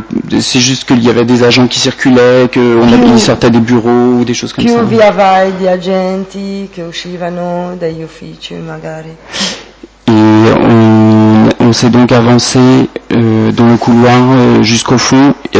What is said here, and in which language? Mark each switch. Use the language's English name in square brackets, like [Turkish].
[French] C'est juste qu'il y avait des agents qui circulaient, qu'on sortait des bureaux ou des choses comme [Italian] più [French] ça. [Italian] Più via vai di agenti che uscivano dagli uffici magari. [French] Et on s'est donc avancé dans le couloir jusqu'au fond.